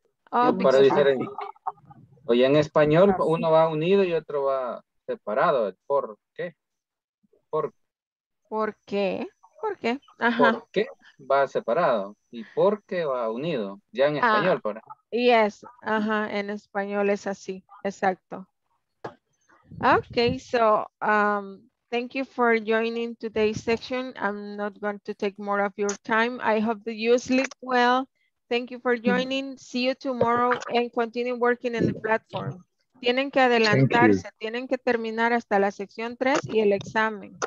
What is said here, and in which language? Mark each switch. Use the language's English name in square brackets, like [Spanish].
[Spanish] Oye, en español uno va unido y otro va separado. ¿Por qué? ¿Por qué? ¿Por qué? va separado y por qué va unido, ya en español, ¿verdad? [English] Yes, [Spanish] ajá, en español es así, exacto. [English] Okay, so thank you for joining today's section. I'm not going to take more of your time. I hope that you sleep well. Thank you for joining. See you tomorrow and continue working in the platform. [Spanish] Tienen que adelantarse, tienen que terminar hasta la sección 3 y el examen.